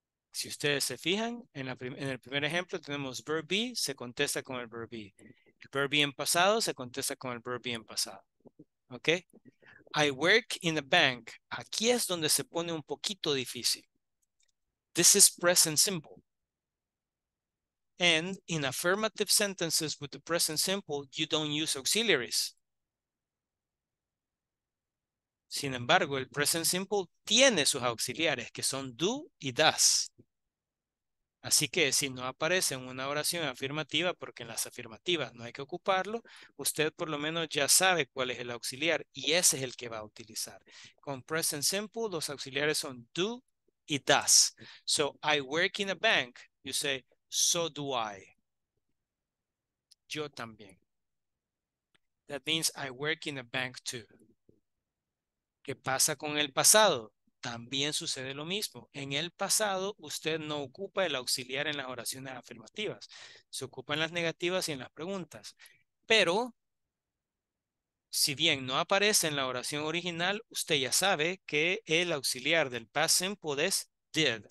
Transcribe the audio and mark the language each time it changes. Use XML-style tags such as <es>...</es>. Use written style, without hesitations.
<es>Si ustedes se fijan, en el primer ejemplo tenemos verb be, se contesta con el verb be. El verb be en pasado se contesta con el verb be en pasado. ¿Ok?</es> <en>I work in a bank.</en> <es>Aquí es donde se pone un poquito difícil.</es> <en>This is present simple. And in affirmative sentences with the present simple, you don't use auxiliaries.</en> <es>Sin embargo, el present simple tiene sus auxiliares, que son do y does. Así que si no aparece en una oración afirmativa, porque en las afirmativas no hay que ocuparlo, usted por lo menos ya sabe cuál es el auxiliar y ese es el que va a utilizar. Con present simple, los auxiliares son do y does.</es> <en>So, I work in a bank. You say, so do I.</en> <es>Yo también.</es> <en>That means I work in a bank too.</en> <es>¿Qué pasa con el pasado? También sucede lo mismo. En el pasado, usted no ocupa el auxiliar en las oraciones afirmativas. Se ocupa en las negativas y en las preguntas. Pero, si bien no aparece en la oración original, usted ya sabe que el auxiliar del past simple es did.</es>